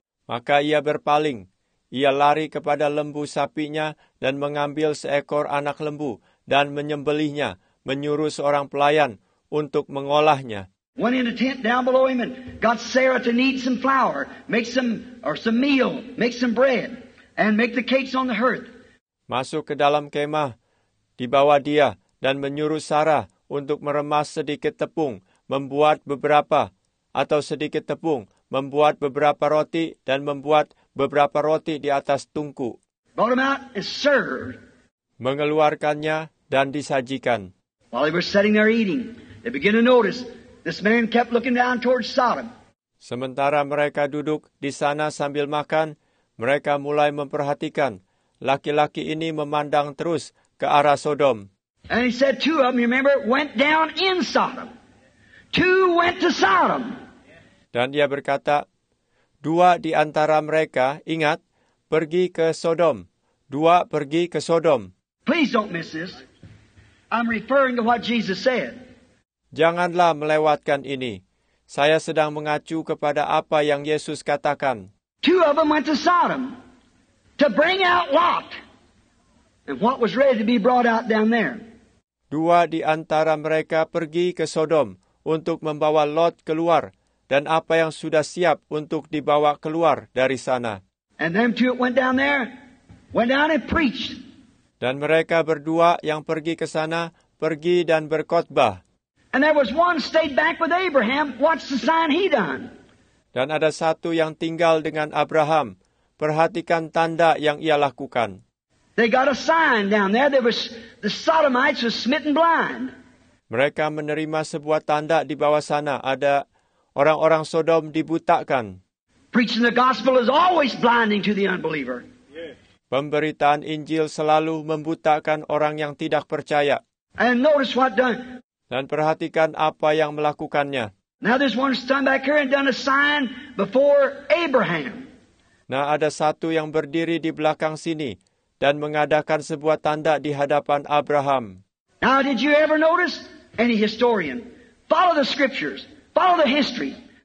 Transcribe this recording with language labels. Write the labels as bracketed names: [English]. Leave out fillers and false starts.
[Indonesian] Maka ia berpaling. Ia lari kepada lembu sapinya dan mengambil seekor anak lembu dan menyembelihnya, menyuruh seorang pelayan untuk mengolahnya. [English] Went in a tent down below him and got Sarah to knead some flour, make some meal, make some bread, and make the cakes on the hearth. [Indonesian] Masuk ke dalam kemah, dibawa dia dan menyuruh Sarah untuk meremas sedikit tepung, membuat beberapa atau sedikit tepung, membuat beberapa roti dan membuat beberapa roti di atas tungku. [English] Brought him out and served. [Indonesian] Mengeluarkannya dan disajikan. [English] While they were sitting there eating, they began to notice this man kept looking down towards Sodom. [Indonesian] Sementara mereka duduk di sana sambil makan, mereka mulai memperhatikan. Laki-laki ini memandang terus ke arah Sodom. [English] And he said two of them, you remember, went down in Sodom. Two went to Sodom. [Indonesian] Dan dia berkata, dua di antara mereka, ingat, pergi ke Sodom. Dua pergi ke Sodom. [English] Please don't miss this. I'm referring to what Jesus said. [Indonesian] Janganlah melewatkan ini. Saya sedang mengacu kepada apa yang Yesus katakan. [English] Two of them went to Sodom to bring out Lot and what was ready to be brought out down there. [Indonesian] Dua di antara mereka pergi ke Sodom untuk membawa Lot keluar dan apa yang sudah siap untuk dibawa keluar dari sana. [English] And them two went down there, went down and preached. [Indonesian] Dan mereka berdua yang pergi ke sana pergi dan berkhotbah. [English] And there was one stayed back with Abraham. What's the sign he done? [Indonesian] Dan ada satu yang tinggal dengan Abraham. Perhatikan tanda yang ia lakukan. [English] They got a sign down there. There was the Sodomites were smitten blind. [Indonesian] Mereka menerima sebuah tanda di bawah sana. Ada orang-orang Sodom dibutakan. [English] Preaching the gospel is always blinding to the unbeliever. [Indonesian] Pemberitaan Injil selalu membutakan orang yang tidak percaya. [English] And notice what done. [Indonesian] Dan perhatikan apa yang melakukannya. [English] Now there's one stand back here and done a sign before Abraham. [Indonesian] Nah, ada satu yang berdiri di belakang sini dan mengadakan sebuah tanda di hadapan Abraham. [English] Now did you ever notice any historian? Follow the scriptures. Follow the history.